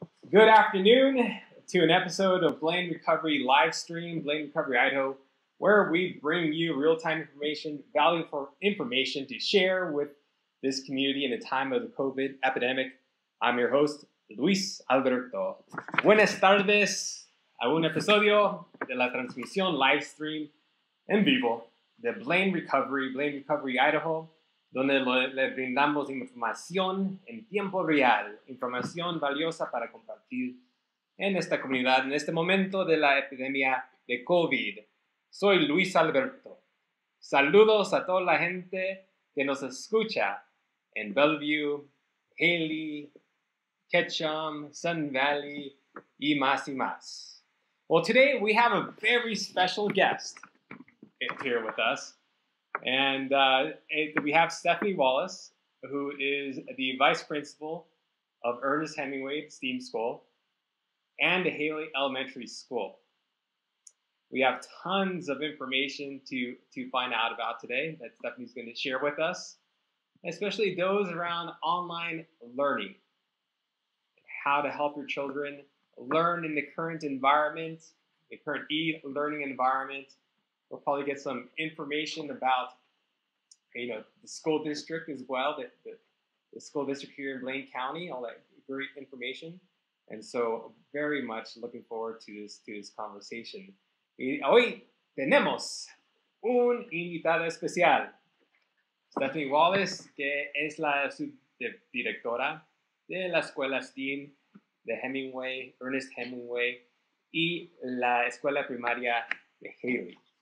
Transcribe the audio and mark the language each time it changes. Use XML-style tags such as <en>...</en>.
<en>Good afternoon to an episode of Blaine Recovery live stream, Blaine Recovery Idaho, where we bring you real-time information, valuable information to share with this community in the time of the COVID epidemic. I'm your host, Luis Alberto.</en> <es>Buenas tardes a un episodio de la transmisión live stream en vivo de Blaine Recovery Idaho, donde le brindamos información en tiempo real, información valiosa para compartir en esta comunidad, en este momento de la epidemia de COVID. Soy Luis Alberto. Saludos a toda la gente que nos escucha en Bellevue, Haley, Ketchum, Sun Valley, y más y más.</es> <en>Well, today we have a very special guest here with us. And we have Stephanie Wallace, who is the vice principal of Ernest Hemingway STEAM School and Haley Elementary School. We have tons of information to find out about today that Stephanie's going to share with us, especially those around online learning, how to help your children learn in the current environment, the current e-learning environment. We'll probably get some information about, you know, the school district as well, the school district here in Blaine County, all that great information. And so very much looking forward to this conversation.</en> <es>Y hoy tenemos un invitado especial, Stephanie Wallace, que es la subdirectora de la Escuela STEAM de Hemingway, Ernest Hemingway, y la Escuela Primaria de Haley.</es>